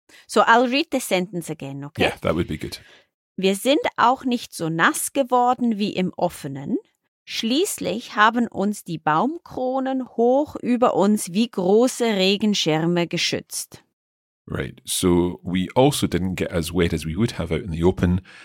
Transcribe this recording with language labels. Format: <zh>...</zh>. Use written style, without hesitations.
<en>So, I'll read the sentence again, okay? Yeah, that would be good.</en> <de>Wir sind auch nicht so nass geworden wie im Offenen. Schließlich haben uns die Baumkronen hoch über uns wie große Regenschirme geschützt.</de> <en>Right, so we also didn't get as wet as we would have out in the open.</en>